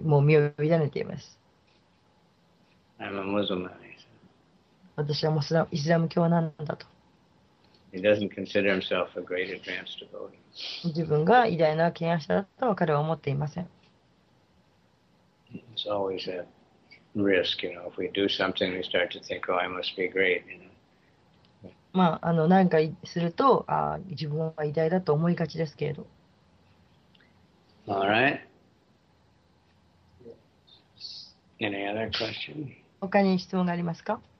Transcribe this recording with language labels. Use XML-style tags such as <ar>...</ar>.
<ja>もう身を委ねています。</ja> <en>I'm a Muslim, man, he said.</en> <ja>私はイスラム教なんだと。</ja> <en>He doesn't consider himself a great advanced devotee.</en> <ja>自分が偉大な啓蒙者だと彼は思っていません。</ja> <en>It's always a risk, you know, if we do something, we start to think, oh, I must be great, you know.</en> <ja>まあ、何かすると、自分は偉大だと思いがちですけれど。</ja> <en>All right. Any other question?</en> <ja>他に質問がありますか？</ja>